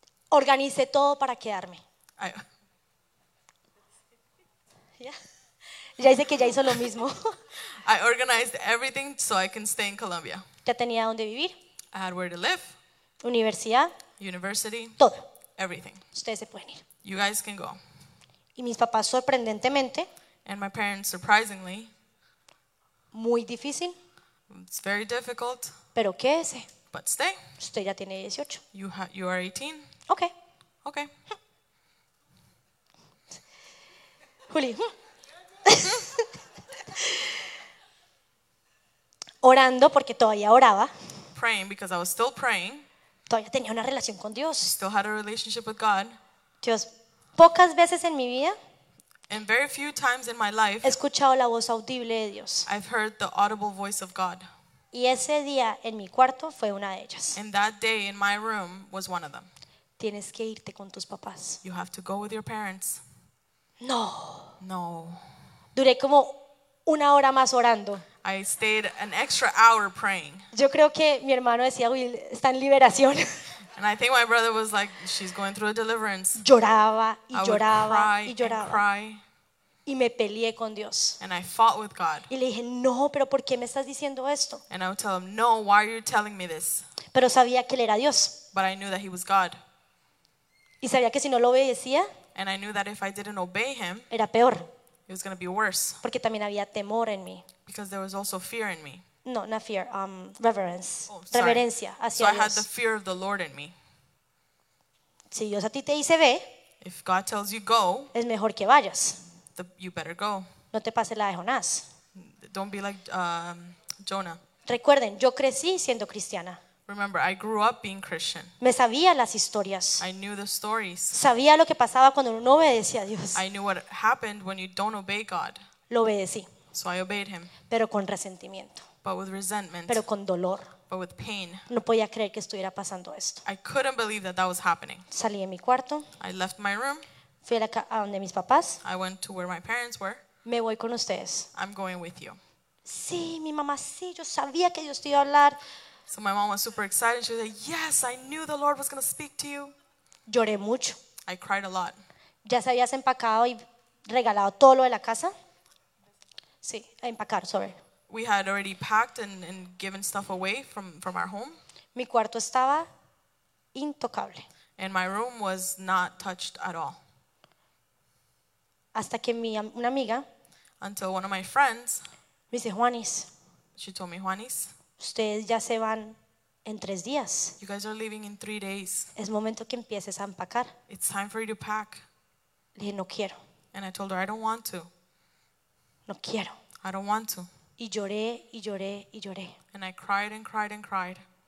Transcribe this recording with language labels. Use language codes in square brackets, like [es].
[es] Organicé todo para quedarme. Ya dice que ya hizo lo mismo. [en] I organized everything so I can stay in Colombia. [es] Ya tenía donde vivir. [en] I had where to live. [es] Universidad. [en] University. [es] Todo. [en] Everything. [es] Ustedes se pueden ir. [en] You guys can go. [es] Y mis papás sorprendentemente. [en] And my parents surprisingly. [es] Muy difícil. [en] It's very difficult. [es] Pero quédese. [en] But stay. [es] Usted ya tiene 18. [en] You are 18. Okay. Okay. Juli. [es] Orando porque todavía oraba. [en] Praying because I was still praying. [es] Todavía tenía una relación con Dios. [en] Still had a relationship with God. [es] Dios, pocas veces en mi vida. [en] And very few times in my life. [es] He escuchado la voz audible de Dios. [en] I've heard the audible voice of God. [es] Y ese día en mi cuarto fue una de ellas. [en] And that day in my room was one of them. [es] Tienes que irte con tus papás. [en] You have to go with your parents. [es] No. [en] No. [es] Duré como una hora más orando. [en] I stayed an extra hour praying. [es] Yo creo que mi hermano decía, "Uy, está en liberación." [en] And I think my brother was like, "She's going through a deliverance." [es] Lloraba y lloraba y lloraba. Y me peleé con Dios. [en] And I fought with God. [es] Y le dije, "No, pero ¿por qué me estás diciendo esto?" [en] And I would tell him, "No, why are you telling me this?" [es] Pero sabía que él era Dios. [en] But I knew that he was God. [es] Y sabía que si no lo obedecía, [en] and I knew that if I didn't obey him, [es] era peor. [en] It was going to be worse. [es] Porque también había temor en mí. [en] Because there was also fear in me. No, not fear, reverence. Oh, sorry. [es] Reverencia hacia [en] Dios. So I had the fear of the Lord in me. [es] Si Dios a ti te dice ve, [en] if God tells you go, [es] es mejor que vayas. [en] You better go. [es] No te pase la de Jonás. [en] Don't be like Jonah. [es] Recuerden, yo crecí siendo cristiana. [en] Remember, I grew up being Christian. [es] Me sabía las historias. [en] I knew the stories. [es] Sabía lo que pasaba cuando uno no obedecía a Dios. [en] I knew what happened when you don't obey God. [es] Lo obedecí. [en] So I obeyed him. [es] Pero con resentimiento. [en] But with resentment. [es] Pero con dolor. [en] But with pain. [es] No podía creer que estuviera pasando esto. [en] I couldn't believe that that was happening. [es] Salí de mi cuarto. [en] I left my room. [es] Fui a donde mis papás. [en] I went to where my parents were. [es] Me voy con ustedes. [en] I'm going with you. [es] Sí, mi mamá, sí, yo sabía que Dios te iba a hablar. [en] So my mom was super excited. She was like, "Yes, I knew the Lord was going to speak to you." [es] Lloré mucho. [en] I cried a lot. [es] Ya se había empacado y regalado todo lo de la casa. Sí, a empacar, sorry. [en] We had already packed and given stuff away from our home. [es] Mi cuarto estaba intocable. [en] And my room was not touched at all. [es] Hasta que una amiga. [en] Until one of my friends. [es] Me dice, Juanis. [en] She told me, Juanis. [es] Ustedes ya se van en 3 días. [en] You guys are leaving in 3 days. [es] Es momento que empieces a empacar. [en] It's time for you to pack. [es] Le dije, no quiero. [en] And I told her, I don't want to. [es] No quiero. [en] I don't want to. [es] Y lloré y lloré y lloré. [en] And I cried and cried and cried.